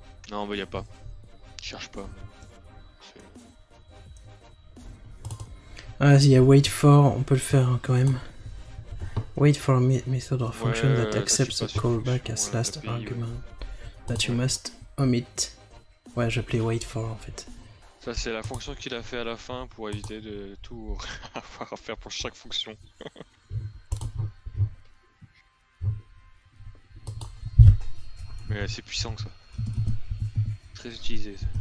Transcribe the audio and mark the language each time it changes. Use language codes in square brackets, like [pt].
[fr] Non, bah y'a pas. Cherche pas. Vas-y, y'a wait for, on peut le faire hein, quand même. [en] Wait for method or function [fr] ouais, [en] that accepts a callback as last argument [fr] ouais. [en] That you must omit. [fr] Ouais, j'appelais wait for en fait. Ça, c'est la fonction qu'il a fait à la fin pour éviter de tout avoir à faire pour chaque fonction. Mais c'est puissant ça. Utilisé